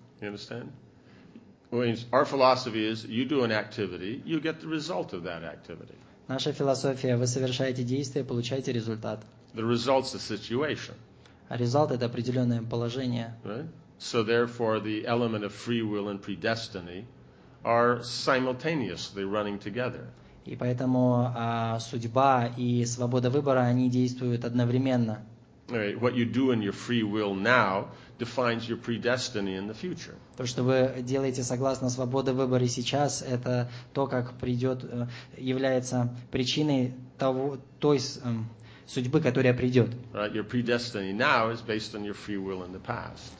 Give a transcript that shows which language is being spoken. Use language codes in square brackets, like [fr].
[en] You understand? Our philosophy is you do an activity, you get the result of that activity. [ru] Наша философия, вы совершаете действие, получаете результат. [en] The result's a situation. [ru] А результат это определенное положение. [en] Right? So therefore the element of free will and predestiny are simultaneously running together. [ru] И поэтому судьба и свобода выбора, они действуют одновременно. [en] Right. What you do in your free will now defines your predestiny in the future. [ru] То, что вы делаете согласно свободе выбора сейчас, это то, как придет, является причиной того, той судьбы, которая придет. [en] Right. Your predestiny now is based on your free will in the past.